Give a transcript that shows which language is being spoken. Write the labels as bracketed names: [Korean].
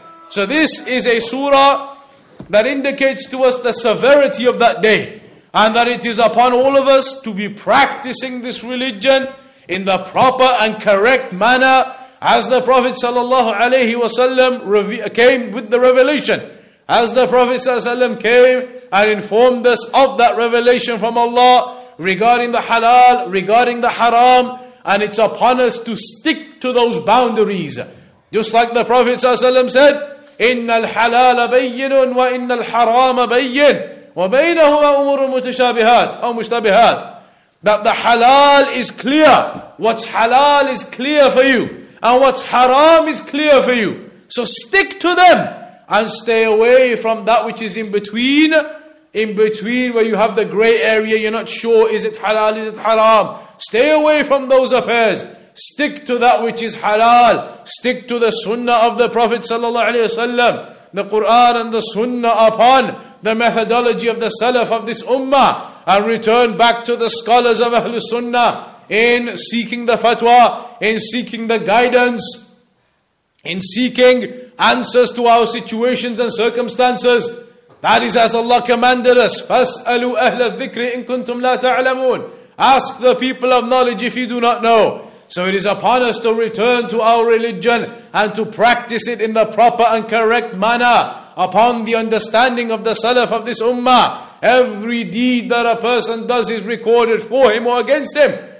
[English] So this is a surah that indicates to us the severity of that day, and that it is upon all of us to be practicing this religion in the proper and correct manner, as the Prophet ﷺ came with the revelation. As the Prophet ﷺ came and informed us of that revelation from Allah regarding the halal, regarding the haram, and it's upon us to stick to those boundaries. Just like the Prophet ﷺ said, [Arabic] إِنَّ الْحَلَالَ بَيِّنٌ وَإِنَّ الْحَرَامَ بَيِّنٌ وَبَيْنَهُمَا أُمُرٌ مُتَشَابِهَاتٌ أَوْ مُشْتَبِهَاتٌ. [English] That the halal is clear. What's halal is clear for you, and what's haram is clear for you. So stick to them and stay away from that which is in between. In between, where you have the grey area, you're not sure, is it halal, is it haram? Stay away from those affairs. Stick to that which is halal. Stick to the sunnah of the Prophet ﷺ, the Quran and the sunnah upon the methodology of the salaf of this ummah, and return back to the scholars of Ahlul Sunnah in seeking the fatwa, in seeking the guidance, in seeking answers to our situations and circumstances. That is as Allah commanded us, [Arabic] فَاسْأَلُوا أَهْلَ الذِّكْرِ إِن كُنْتُمْ لَا تَعْلَمُونَ. [English] Ask the people of knowledge if you do not know. So it is upon us to return to our religion and to practice it in the proper and correct manner upon the understanding of the salaf of this ummah. Every deed that a person does is recorded for him or against him.